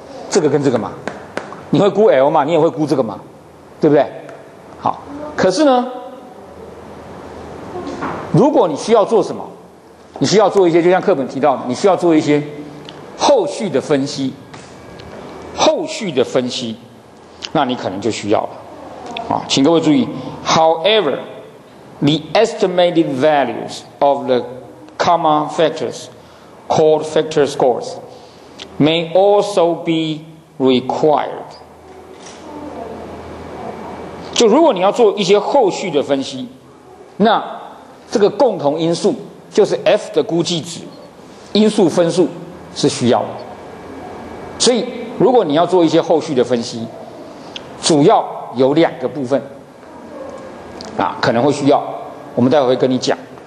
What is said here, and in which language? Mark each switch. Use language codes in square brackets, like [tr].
[zh] 这个跟这个嘛，你会估 L 嘛，你也会估这个嘛，对不对？好，可是呢，如果你需要做什么，你需要做一些，就像课本提到的，你需要做一些后续的分析，序的分析，那你可能就需要了。请各位注意 [en] ，However, the estimated values of the comma factors called factor scores may also be required。 [zh] 就如果你要做一些后续的分析，那这个共同因素就是 F 的估计值，因素分数是需要的。所以如果你要做一些后续的分析，主要有两个部分啊，可能会需要，我们待会会跟你讲。